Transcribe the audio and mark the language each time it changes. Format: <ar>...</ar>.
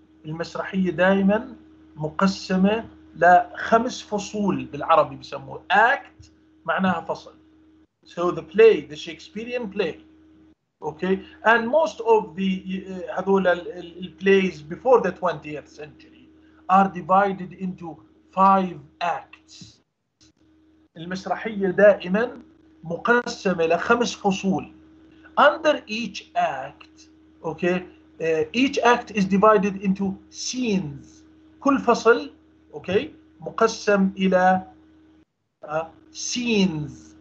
<ar>المسرحية دائما مقسمة لخمس فصول بالعربي بيسموه act معناها فصل.</ar> <en>So the play, the Shakespearean play. Okay, and most of the</en> <ar>هذول ال</ar> <en>plays before the 20th century are divided into five acts.</en> <ar>المسرحية دائما مقسمة لخمس فصول.</ar> <en>Under each act, okay, each act is divided into scenes.</en> <ar>كل فصل okay مقسم إلى scenes.</ar>